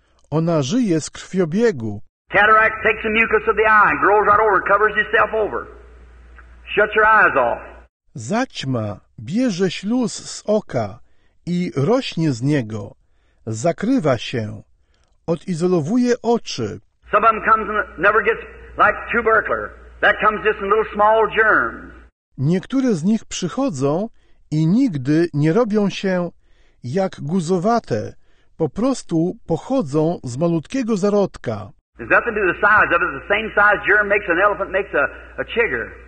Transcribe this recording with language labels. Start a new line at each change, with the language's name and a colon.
Polish: Ona żyje z krwiobiegu.
English: Cataract takes the mucus of the eye and grows right over, covers itself over. Shut your eyes off.
Polish: Zaćma bierze śluz z oka i rośnie z niego. Zakrywa się. Odizolowuje oczy.
English: Some of them comes and never gets like tubercular. That comes just in little small germs.
Polish: Niektóre z nich przychodzą i nigdy nie robią się jak guzowate. Po prostu pochodzą z malutkiego zarodka.
English: There's nothing to the size of it. The same size germ makes an elephant, makes a chigger.